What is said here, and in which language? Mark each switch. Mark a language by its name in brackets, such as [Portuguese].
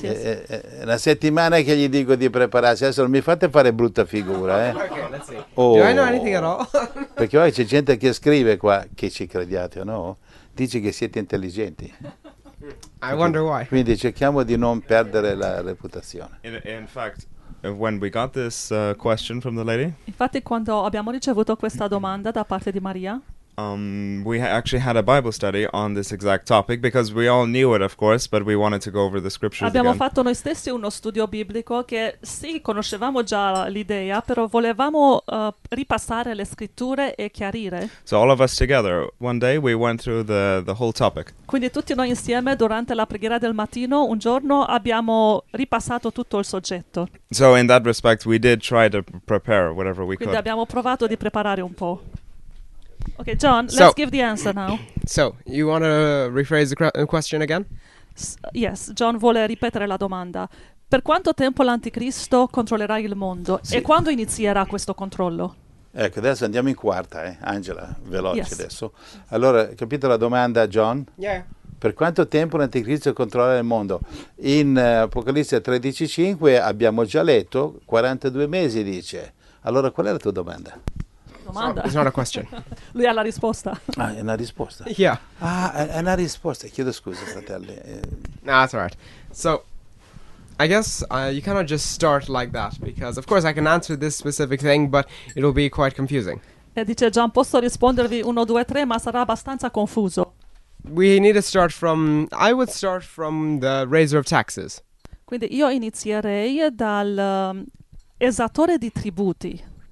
[Italian] È una settimana che gli dico di prepararsi. Adesso non mi fate fare brutta figura, eh? [English] Okay, let's see. Oh. Do I know anything at all? [Italian] Perché poi c'è gente che scrive qua, che ci crediate o no, dice che siete intelligenti. [English] I wonder why. [Italian] Quindi cerchiamo di non perdere la reputazione. [English] In fact, when we got this question from the lady. [Italian] Infatti, quando abbiamo ricevuto questa domanda da parte di Maria. [English] We actually had a Bible study on this exact topic because we all knew it, of course, but we wanted to go over the scriptures. [Italian] Abbiamo [English] again. [Italian] Fatto noi stessi uno studio biblico che sì, conoscevamo già l'idea, però volevamo ripassare le scritture e chiarire. [English] So all of us together, one day we went through the whole topic. [Italian] Quindi tutti noi insieme durante la preghiera del mattino un giorno abbiamo ripassato tutto il soggetto. [English] So in that respect, we did try to prepare whatever we [Italian] Quindi [English] could. [Italian] Quindi abbiamo provato di preparare un po'. [English] Okay, John, let's give the answer now. So, you want to rephrase the question again? [Italian] Yes, John vuole ripetere la domanda. Per quanto tempo l'anticristo controllerà il mondo? Sì. E quando inizierà questo controllo? Ecco, adesso andiamo in quarta, Angela, veloce yes. adesso. Allora, capito la domanda, John? [English] Yeah. [Italian] Per quanto tempo l'anticristo controllerà il mondo? In Apocalisse 13:5 abbiamo già letto, 42 mesi dice. Allora, qual è la tua domanda? [English] It's not a question. [Italian] Lui ha la risposta. Ah, è una risposta. [English] Yeah. [Italian] Ah, è una risposta. Chiedo scusa, fratelli. [English] No, that's all right. So, I guess you cannot just start like that, because of course I can answer this specific thing, but it'll be quite confusing. [Italian] E dice John, posso rispondervi 1, 2, 3, ma sarà abbastanza confuso. [English] We need to start from, I would start from the raiser of taxes. [Italian] Quindi io inizierei dal esattore di tributi.